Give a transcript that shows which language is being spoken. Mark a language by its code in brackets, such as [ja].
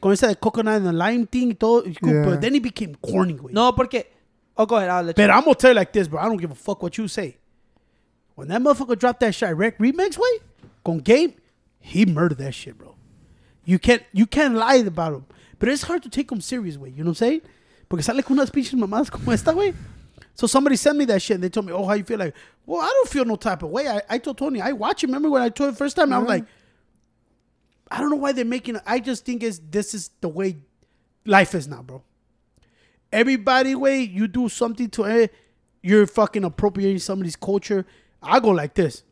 [es] Con esa de [en] coconut and the lime thing y todo. Yeah. But then he became corny, güey. [es] No, porque... [en] Oh, go ahead. I'll let you. But I'm going to tell you like this, bro. I don't give a fuck what you say. When that motherfucker dropped that Chirac remix, güey, con Game, he murdered that shit, bro. You can't lie about him. But it's hard to take him serious, güey. You know what I'm saying? [es] Porque sale con unas pinches mamadas como esta, güey. [en] So somebody sent me that shit, and they told me, oh, how you feel? Like, well, I don't feel no type of way. I told Tony, I watch him. Remember when I told him the first time? Mm-hmm. I was like, I don't know why they're making it. I just think this is the way life is now, bro. Everybody, way you do something to it, you're fucking appropriating somebody's culture. I go like this.